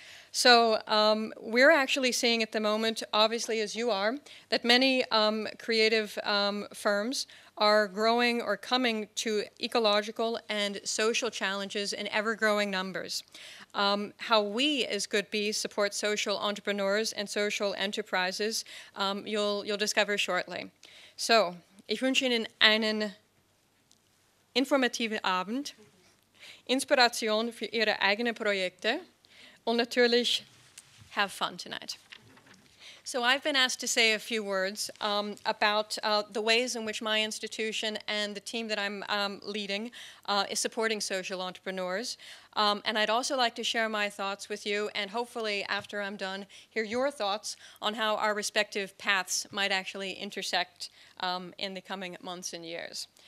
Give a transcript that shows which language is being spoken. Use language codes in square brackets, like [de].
[en] So we're actually seeing at the moment, obviously as you are, that many creative firms are growing or coming to ecological and social challenges in ever-growing numbers. How we as good.bee support social entrepreneurs and social enterprises, you'll discover shortly. [de] So, ich wünsche Ihnen einen informativen Abend, Inspiration für Ihre eigenen Projekte, und natürlich, [en] have fun tonight. So I've been asked to say a few words about the ways in which my institution and the team that I'm leading is supporting social entrepreneurs. And I'd also like to share my thoughts with you, and hopefully after I'm done, hear your thoughts on how our respective paths might actually intersect in the coming months and years.